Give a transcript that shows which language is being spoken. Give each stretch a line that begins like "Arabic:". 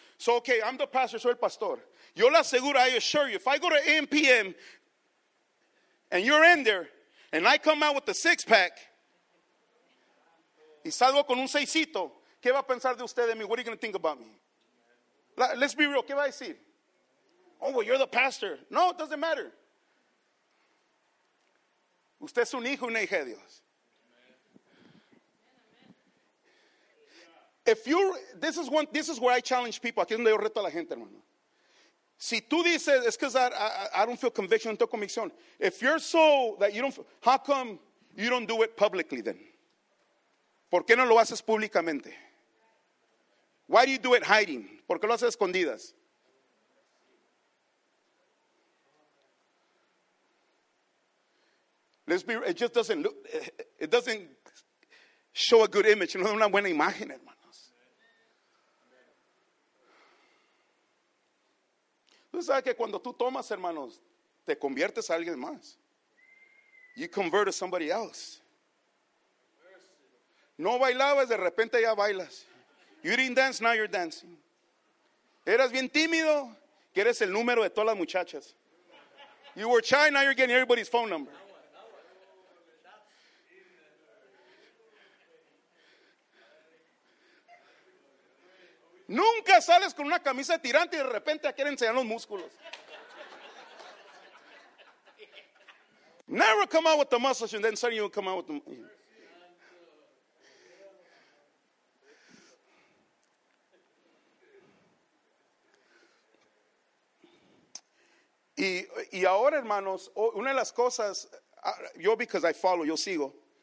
English: So, okay, I'm the pastor,
Spanish: soy el pastor. Yo le aseguro,
English: I assure you, if I go to AMPM and you're in there and I come out with a six pack
Spanish: y salgo con un seisito, ¿qué va a pensar de usted de mí?
English: What are you going to think about me? Let's be real,
Spanish: ¿qué va a decir?
English: Oh, well, you're the pastor. No, it doesn't matter.
Spanish: Usted es un hijo y una hija de Dios.
English: If you, this is one, this is where I challenge people.
Spanish: Aquí es donde yo reto a la gente, hermano. Si tú dices, es que
English: I don't feel conviction,
Spanish: no tengo convicción.
English: If you're so that you don't feel, how come you don't do it publicly then?
Spanish: ¿Por qué no lo haces públicamente?
English: Why do you do it hiding?
Spanish: ¿Por qué lo haces escondidas?
English: Let's be, it just doesn't look, it doesn't show a good image.
Spanish: No es una buena imagen, hermano. Tú sabes que cuando tú tomas, hermanos, te conviertes a alguien más.
English: You convert to somebody else.
Spanish: No bailabas, de repente ya bailas.
English: You didn't dance, now you're dancing.
Spanish: Eras bien tímido, que eres el número de todas las muchachas.
English: You were shy, now you're getting everybody's phone number.
Spanish: Nunca sales con una camisa de tirante y de repente quieren enseñar los músculos.
English: Never come out with the muscles and then suddenly you come out with the.
Spanish: Y ahora, hermanos, una de las cosas, yo
English: because I follow,
Spanish: yo sigo.